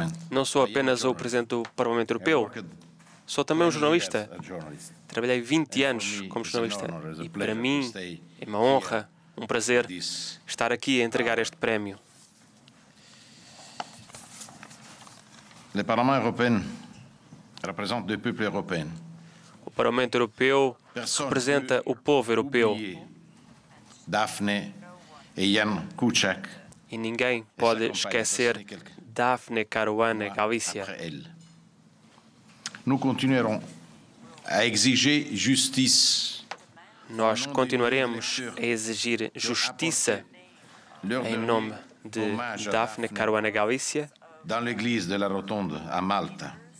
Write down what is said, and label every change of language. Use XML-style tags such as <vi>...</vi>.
<pt>Não sou apenas o Presidente do Parlamento Europeu, sou também um jornalista. Trabalhei 20 anos como jornalista e, para mim, é uma honra, um prazer estar aqui a entregar este prémio.</pt> <fr>Le Parlement européen représente le peuple européen.</fr> <pt>O Parlamento Europeu representa o povo europeu. Daphne e Jan Kuciak. E ninguém pode esquecer Daphne Caruana Galizia.</pt> <fr>Nous continuerons à exiger justice.</fr> <pt>Nós continuaremos a exigir justiça em nome de Daphne Caruana Galizia</pt> <fr>dans l'église de la Rotonde à Malta</fr>